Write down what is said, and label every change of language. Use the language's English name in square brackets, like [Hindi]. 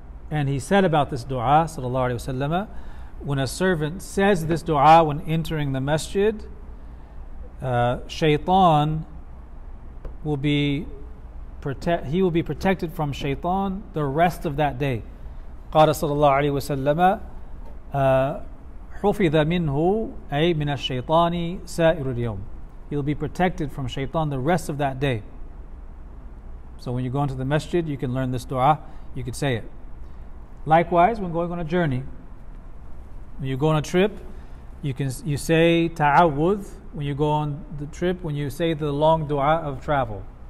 [English] And he said about this dua, sallallahu alayhi wa sallam, when a servant says this dua when entering the masjid, Shaytan will be he will be protected from Shaytan the rest of that day. [Arabic] Qala sallallahu alayhi wa sallam, حُفِذَ مِنْهُ أي مِنَ الشَّيْطَانِ سَائِرُ الْيَوْمِ. [English] He'll be protected from shaitan the rest of that day. So when you go into the masjid, you can learn this dua, you can say it. Likewise, when going on a journey, when you go on a trip, you say ta'awudh. When you go on the trip, when you say the long dua of travel.